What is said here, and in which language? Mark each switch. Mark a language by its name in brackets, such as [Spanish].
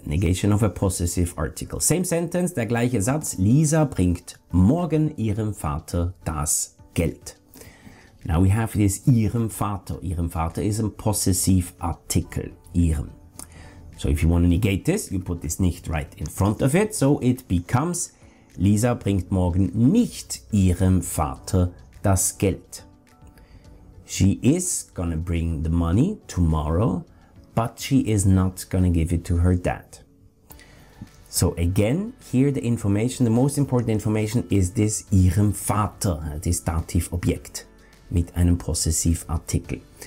[English] Negation of a possessive article. Same sentence, [German] der gleiche Satz. Lisa bringt morgen ihrem Vater das Geld. [English] Now we have this ihrem Vater. Ihrem Vater is a possessivartikel. Ihrem. So if you want to negate this, you put this nicht right in front of it. So it becomes [German] Lisa bringt morgen nicht ihrem Vater das Geld. [English] She is gonna bring the money tomorrow, but she is not gonna give it to her dad. So again, here the information, the most important information is this ihrem Vater, this Dativobjekt [German] mit einem Possessivartikel.